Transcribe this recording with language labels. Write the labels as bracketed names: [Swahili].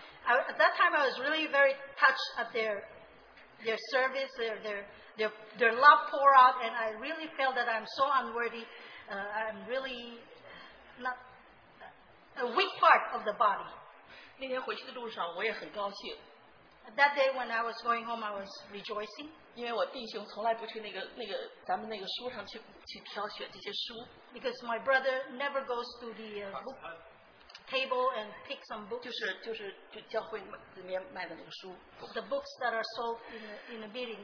[English] At that time, I was really very touched at their service, their love pour out, and I really felt that I'm so unworthy. I'm really not a weak part of the body. [Chinese] 那天回去的路上，我也很高兴。 [English] That day when I was going home, I was rejoicing. [Chinese] 因为我弟兄从来不去那个咱们那个书上去挑选这些书。 [English] Because my brother never goes to the book table and pick some books. [Chinese] 就是教会里面卖的那个书。 [English] The books that are sold in the meeting.